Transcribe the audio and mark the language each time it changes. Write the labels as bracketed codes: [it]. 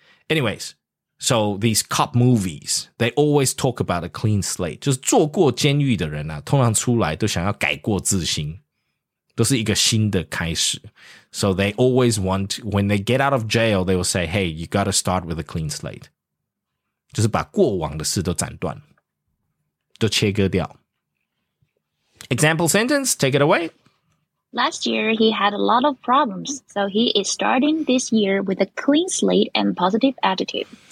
[en] Anyways, so these cop movies, they always talk about a clean slate. [zh] 就是做过监狱的人啊，通常出来都想要改过自新，都是一个新的开始。 [en] So they always want, when they get out of jail, they will say, hey, you got to start with a clean slate. [zh] 就是把过往的事都斩断，都切割掉。 [en] Example sentence, take it away. Last year, he had a lot of problems, so he is starting this year with a clean slate and positive attitude.